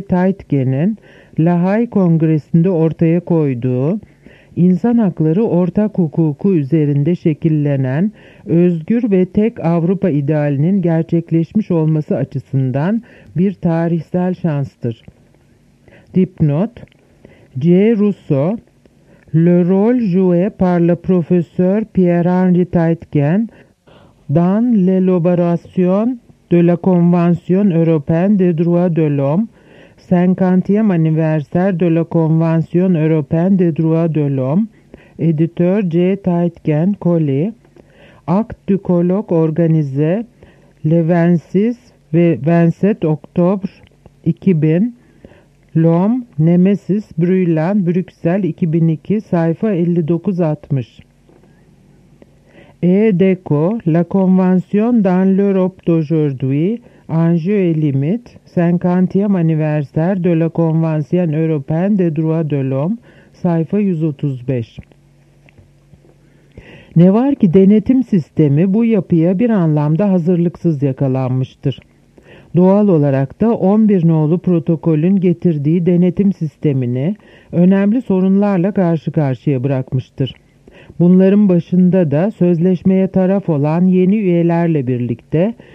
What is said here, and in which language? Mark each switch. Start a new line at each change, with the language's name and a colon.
Turkish: Taitgen'in La Haye Kongresi'nde ortaya koyduğu insan hakları ortak hukuku üzerinde şekillenen özgür ve tek Avrupa idealinin gerçekleşmiş olması açısından bir tarihsel şanstır. Dipnot: C.
French: Rousseau, Le rôle joué par le professeur Pierre-Henri Taitgen dans l'élaboration de la Convention européenne des droits de l'homme, 50e anniversaire de la Convention européenne des droits de l'homme, éditeur J. Taitgen Colli, acte du colloque organisé le 26
Turkish: ve
French: 27 octobre 2000, L'homme, Nemesis, Brûlant, Bruxelles 2002,
Turkish: sayfa 59-60.
French: E-Deco, La Convention dans l'Europe d'aujourd'hui, enjeux et limites, 50e anniversaire de la Convention européenne des droits de l'homme,
Turkish: sayfa 135. Ne var ki denetim sistemi bu yapıya bir anlamda hazırlıksız yakalanmıştır. Doğal olarak da 11 nolu protokolün getirdiği denetim sistemini önemli sorunlarla karşı karşıya bırakmıştır. Bunların başında da sözleşmeye taraf olan yeni üyelerle birlikte